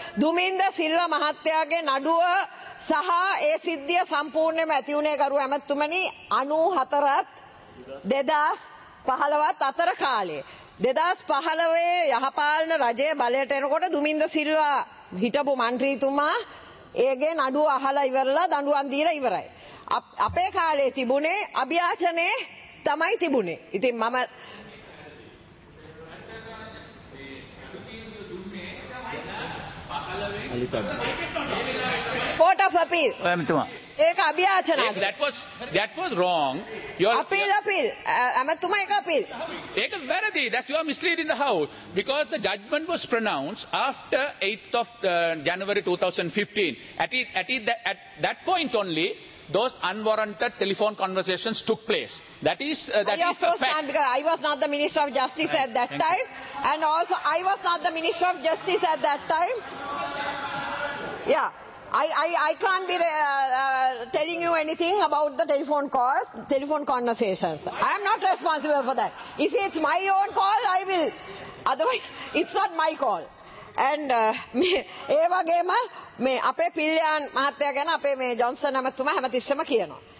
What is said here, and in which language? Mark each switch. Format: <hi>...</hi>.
<si>දුමින්ද සිල්වා මහත්තයාගේ නඩුව සහ ඒ සිද්ධිය සම්පූර්ණයෙන්ම ඇති වුණේ ගරු ඇමතුමනි 94 2015 අතර කාලේ. 2015 යහපාලන රජයේ බලයට එනකොට දුමින්ද සිල්වා හිටපු මන්ත්‍රීතුමා ඒගේ නඩුව අහලා ඉවරලා දඬුවම් දීලා ඉවරයි. අපේ කාලේ තිබුණේ අභියාචනයේ තමයි තිබුණේ. ඉතින් මම</si> <en>Court of Appeal.</en> <si>ඒක අභියාචනයක්.</si> <en>That was wrong. Appeal.</en> <si>අමතුම එක appeal. ඒක වැරදි.</si> <en>That you are misled in the house because the judgment was pronounced after 8th of January 2015. At that point only those unwarranted telephone conversations took place. That is a fact. Because I was not the Minister of Justice at that time. You. And also, I was not the Minister of Justice at that time. Yeah. I can't be telling you anything about the telephone calls, telephone conversations. I am not responsible for that. If it's my own call, I will. Otherwise, it's not my call.</en> <si>And ඒ වගේම මේ අපේ පිල්ලයන් මහත්තයා ගැන අපේ මේ Johnson ඇමතුමා හැමතිස්සෙම කියනවා.</si>